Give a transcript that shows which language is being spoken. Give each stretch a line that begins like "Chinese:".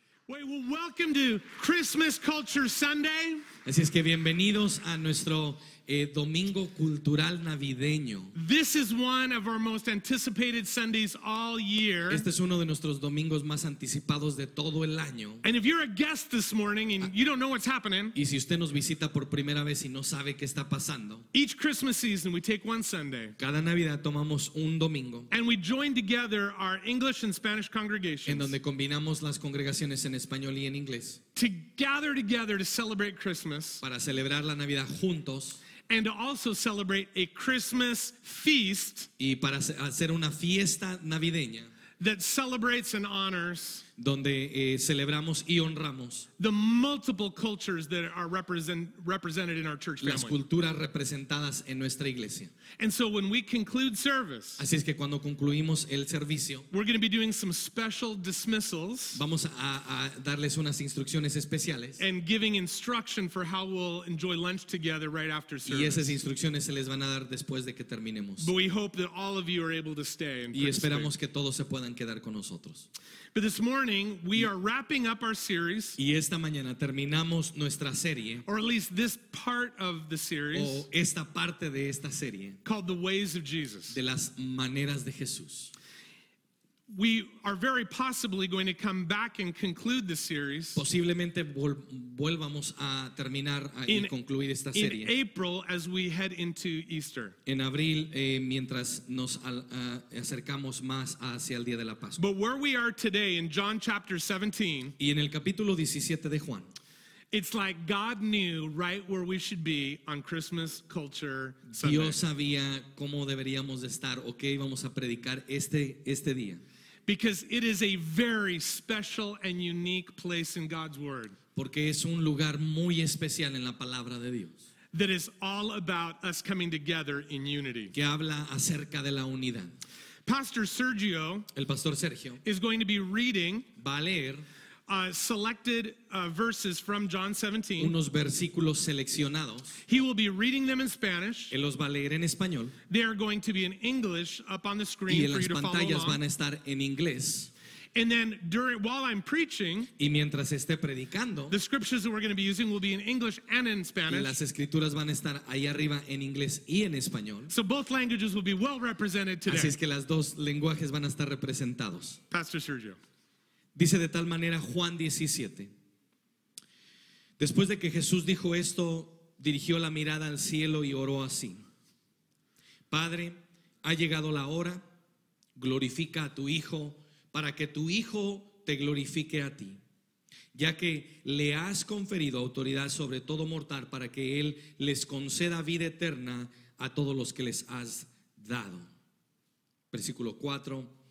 English: Wait, well, welcome to Christmas Culture Sunday.
Spanish: Así es que bienvenidos a nuestro Domingo Cultural Navideño.
English: This is one of our most anticipated Sundays all year.
Spanish: Este es uno de nuestros domingos más anticipados de todo el año.
English: And if you're a guest this morning and you don't know what's happening,
Spanish: y si usted nos visita por primera vez y no sabe qué está pasando,
English: each Christmas season we take one Sunday.
Spanish: Cada Navidad tomamos un domingo.
English: And we join together our English and Spanish congregations.
Spanish: En donde combinamos las congregaciones en español y en inglés.
English: To gather together to celebrate Christmas.
Spanish: Para celebrar la Navidad juntos.
English: And to also celebrate a Christmas feast.
Spanish: Y para hacer una fiesta navideña.
English: That celebrates and honors.
Spanish: Donde celebramos y honramos.
English: The multiple cultures that are represented in our church family.
Spanish: Las culturas representadas en nuestra iglesia.
English: And so when we conclude service.
Spanish: Así es que cuando concluimos el servicio.
English: We're going to be doing some special dismissals.
Spanish: Vamos a darles unas instrucciones especiales.
English: And giving instruction for how we'll enjoy lunch together right after service.
Spanish: Y esas instrucciones se les van a dar después de que terminemos.
English: But we hope that all of you are able to stay.
Spanish: Y esperamos que todos se puedan quedar con nosotros.
English: But this morning we are wrapping up our series.
Spanish: Y esta mañana terminamos nuestra serie.
English: Or at least this part of the series.
Spanish: O esta parte de esta serie.
English: Called The Ways of Jesus.
Spanish: De las maneras de Jesús.
English: We are very possibly going to come back and conclude the series.
Spanish: Posiblemente volvamos a terminar y concluir esta serie.
English: In April as we head into Easter.
Spanish: En abril mientras nos acercamos más hacia el día de la Pascua.
English: But where we are today in John chapter 17.
Spanish: Y en el capítulo 17 de Juan.
English: It's like God knew right where we should be on Christmas Culture Sunday.
Spanish: Dios sabía cómo deberíamos de estar o qué íbamos a predicar este día.
English: Because it is a very special and unique place in God's Word.
Spanish: Porque es un lugar muy especial en la palabra de Dios.
English: That is all about us coming together in unity.
Spanish: Que habla acerca de la unidad.
English: Pastor Sergio,
Spanish: el pastor Sergio,
English: is going to be reading.
Spanish: Va a leer.
English: Selected verses from John 17.
Spanish: Unos versículos seleccionados.
English: He will be reading them in Spanish.
Spanish: Él los va a leer en español.
English: They are going to be in English up on the screen for you to follow along.
Spanish: Y las pantallas van a estar en inglés.
English: And then during while I'm preaching,
Spanish: y mientras esté predicando,
English: the scriptures that we're going to be using will be in English and in Spanish.
Spanish: Y las escrituras van a estar ahí arriba en inglés y en español.
English: So both languages will be well represented today.
Spanish: Así es que las dos lenguajes van a estar representados.
English: Pastor Sergio.
Spanish: Dice de tal manera Juan 17. Después de que Jesús dijo esto, dirigió la mirada al cielo y oró así: Padre, ha llegado la hora, glorifica a tu Hijo, para que tu Hijo te glorifique a ti, ya que le has conferido autoridad sobre todo mortal para que Él les conceda vida eterna a todos los que les has dado. Versículo 4.